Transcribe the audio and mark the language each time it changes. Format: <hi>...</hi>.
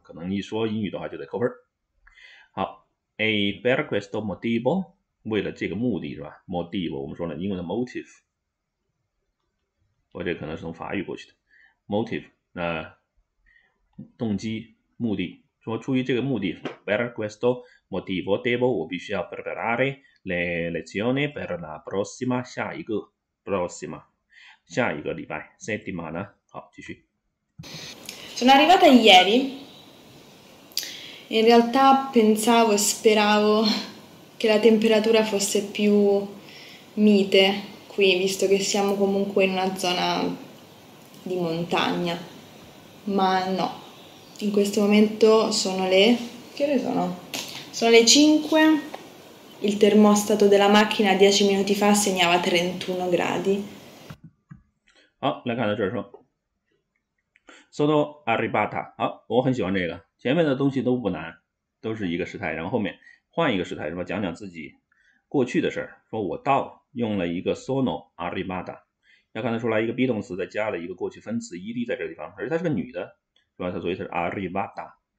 <zh>可能一说英语的话就得扣分。好，</zh> <it>e per questo motivo，</it> <zh>为了这个目的是吧？motivo 我们说了英文的 motive，我这可能是从法语过去的 motive，那动机、目的。说出于这个目的，</zh> <it>per questo motivo devo</it> <zh>我必须要</zh> <it>preparare le lezioni per la prossima</it> <zh>下一个 prossima 下一个礼拜 settimana 好，继续。</zh> <it>Sono arrivata ieri. In realtà pensavo e speravo che la temperatura fosse più mite qui, visto che siamo comunque in una zona di montagna. Ma no, in questo momento sono le... Che ore sono? Sono le 5. Il termostato della macchina 10 minuti fa segnava 31 gradi.</it> <zh>好，来看到这儿说，</zh> <it>sono arrivata。</it> <zh>好，我很喜欢这个，前面的东西都不难，都是一个时态，然后后面换一个时态，是吧？讲讲自己过去的事儿，说我到，用了一个</zh> <it>sono arrivata。</it> <zh>要看得出来，一个 be 动词再加了一个过去分词 ed 在这个地方，而且她是个女的，是吧？她所以她是 arrivata。</zh>